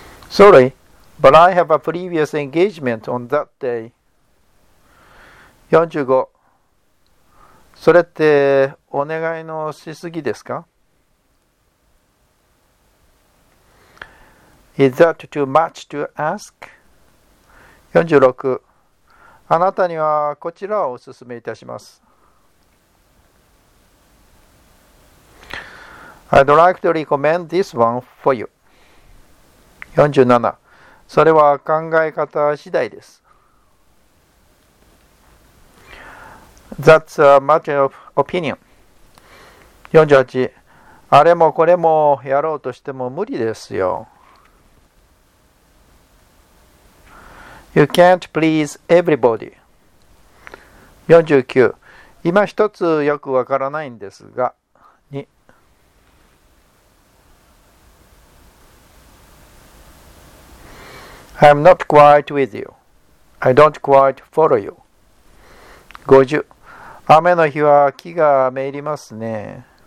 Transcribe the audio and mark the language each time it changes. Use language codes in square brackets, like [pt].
[en] Sorry, but I have a previous engagement on that day. 45. [ja] それってお願いのしすぎですか? [en] Is that too much to ask? 46. [ja] あなたにはこちらをお勧めいたします。 [en] I'd like to recommend this one for you. 47. [ja] それは考え方次第です。 [en] That's a matter of opinion. 48. [ja] あれもこれもやろうとしても無理ですよ。 [en] You can't please everybody. 49. [ja] 今一つよくわからないんですが。 [en] 2. I'm not quite with you. I don't quite follow you. 50. [ja] 雨の日は木が滅入りますね。